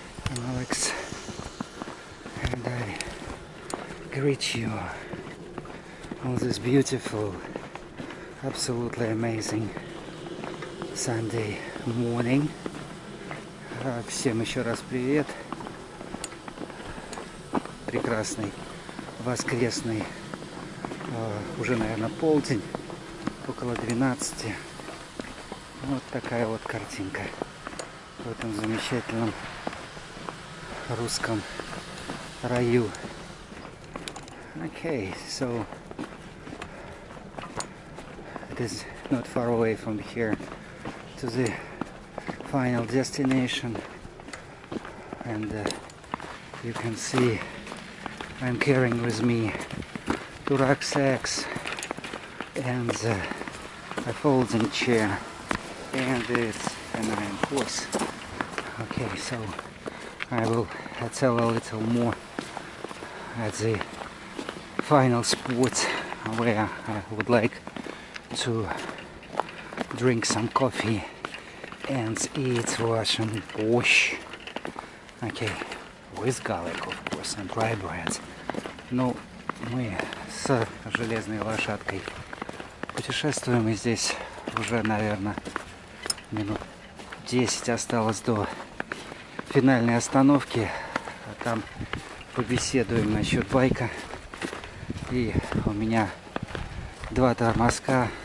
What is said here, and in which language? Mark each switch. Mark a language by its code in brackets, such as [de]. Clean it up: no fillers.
[en] I'm Alex, and I greet you on this beautiful, absolutely amazing Sunday morning. [ru] Всем еще раз привет. Прекрасный воскресный, уже, наверное, полдень, около 12. Вот такая вот картинка в этом замечательном русском раю. [en] Okay, so it is not far away from here to the final destination, and you can see I'm carrying with me two rucksacks and a folding chair. And it's an iron horse. Okay, so I will tell a little more at the final spot where I would like to drink some coffee and eat Russian borscht. Okay, with garlic, of course, and rye bread. [ru] Но мы с железной лошадкой путешествуем, и здесь уже, наверное, минут 10 осталось до финальной остановки. А там побеседуем насчет байка. И у меня два тормозка.